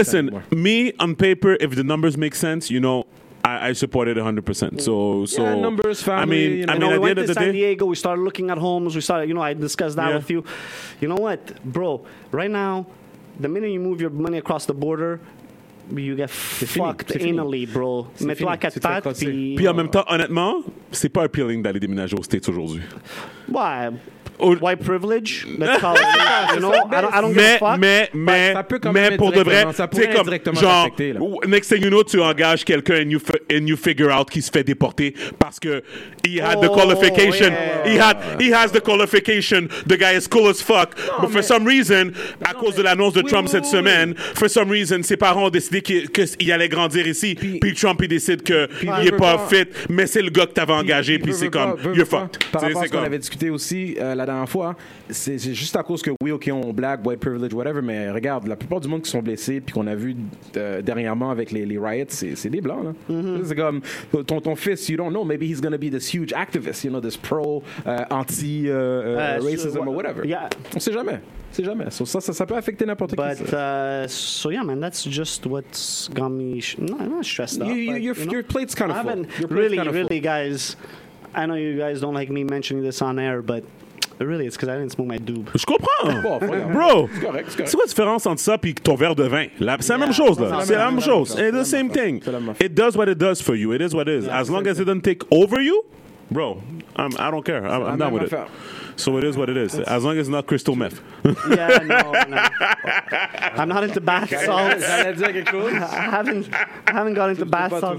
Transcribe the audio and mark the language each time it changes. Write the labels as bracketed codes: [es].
[en] East End anymore. Me, on paper, if the numbers make sense, you know, I support it 100%. So yeah, numbers, family. I mean, we at the end went of the San day, Diego, we started looking at homes. We started, you know, I discussed that with you. You know what, bro? Right now, the minute you move your money across the border, you get fucked anally, bro. [fr] Mais toi, qu'est-ce que t'as? Puis en même temps, honnêtement, c'est pas appealing d'aller déménager aux States aujourd'hui. [en] Why? White privilege, let's call it. You know, I don't give a fuck. [fr] Mais pour de vrai, c'est comme genre affecté, [en] next thing you know, [fr] tu engages quelqu'un [en] and you figure out [fr] qu'il se fait déporter parce que [en] he has the qualification. The guy is cool as fuck, for some reason, [fr] à cause de l'annonce de Trump cette semaine, [en] for some reason, [fr] ses parents ont décidé qu'il allait grandir ici. Puis Trump, il décide que il est pas fit. Mais c'est le gars que t'avais engagé. Puis c'est comme [en] you're fucked. [fr] Par rapport à ce qu'on avait discuté aussi la dernière fois, c'est juste à cause que oui, ok, on [en] black, white privilege, whatever, [fr] mais regarde, la plupart du monde qui sont blessés, puis qu'on a vu dernièrement avec les riots, c'est des blancs, là. Mm-hmm. C'est comme ton fils, [en] you don't know, maybe he's gonna be this huge activist, you know, this pro anti-racism or whatever. Yeah. [fr] On sait jamais. C'est jamais. So, ça peut affecter n'importe qui. [en] So yeah, man, that's just what's got me not stressed out. Your plate's kind of full. Really, guys, I know you guys don't like me mentioning this on air, but really, it's because I didn't smoke my doob. [fr] Je comprends. Bro, c'est quoi la différence entre ça et ton verre de vin? C'est la même chose, là. C'est la même chose. [en] It's the same thing. It does what it does for you. It is what it is. As long as it doesn't take over you, bro, I don't care. I'm not with it. So it is what it is. As long as it's not crystal meth. Yeah, no. I'm not into bath salts. [fr] J'allais dire quelque chose. [en] I haven't got into bath salts.